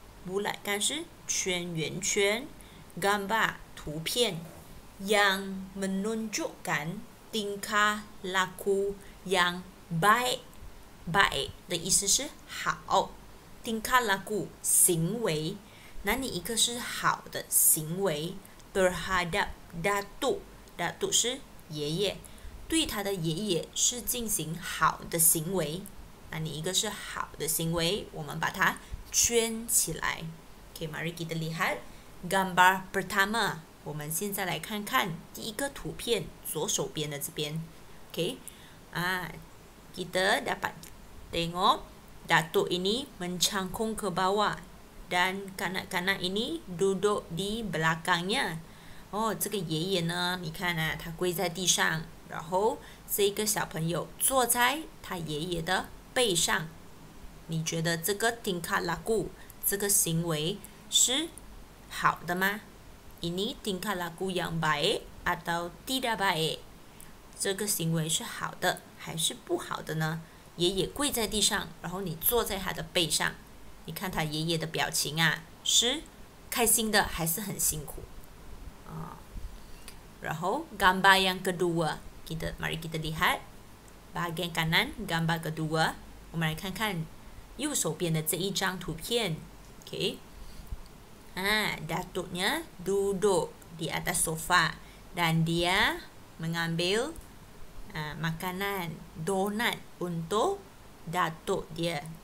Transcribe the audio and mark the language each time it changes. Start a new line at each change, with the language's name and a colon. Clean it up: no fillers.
Chinese: Bulatkan 是圈圆圈. Gambar, 图片.
Malay: Yang menunjukkan tingkah laku yang baik.
Chinese: Baik 的意思是好. Tingkah laku, 行为. 哪里一个是好的行为?
Malay: Terhadap Datuk.
Chinese: Datuk 是爷爷. 对他的爷爷是进行好的行为. 哪里一个是好的行为?我们把它圈起来.
Malay: Okay, mari kita lihat gambar pertama.
Chinese: 我们现在来看看第一个图片, 左手边的这边.
Malay: Okay. Kita dapat tengok Datuk ini mencangkung ke bawah dan kanak-kanak ini duduk di belakangnya.
Chinese: Oh, 这个爷爷呢, 你看啊, 他跪在地上, 然后, 这个小朋友坐在他爷爷的背上. 你觉得这个 tingkah laku, 这个行为是好的吗?
Malay: Ini tingkah laku yang baik atau tidak baik?
Chinese: 这个行为是好的还是不好的呢?爷爷跪在地上, 然后你坐在他的背上, 你看他爷爷的表情啊, 是开心的还是很辛苦?
Malay: 然后, gambar yang kedua, mari kita lihat, bahagian kanan, gambar kedua,
Chinese: 我们来看看右手边的这一张图片。
Malay: OK， 啊 ，datuknya duduk di atas sofa dan dia mengambil makanan donat untuk datuk dia.